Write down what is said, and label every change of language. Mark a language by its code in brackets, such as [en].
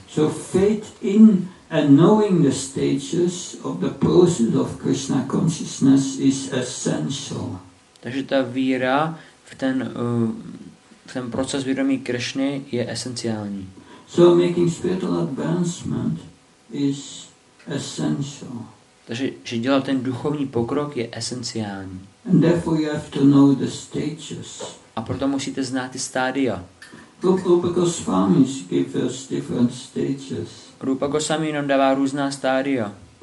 [en] So faith in and knowing the stages of the process of Krishna consciousness is essential. [cs] Takže ta víra v ten proces vědomí Krishny je esenciální. [en] So making spiritual advancement is essential. [cs] Takže že dělat ten duchovní pokrok je esenciální. [en] And therefore you have to know the stages. [cs] A proto musíte znát ty stádia. [en] Rupa Goswami gives us different stages. [cs] Rupa Goswami nám dává různá stádia.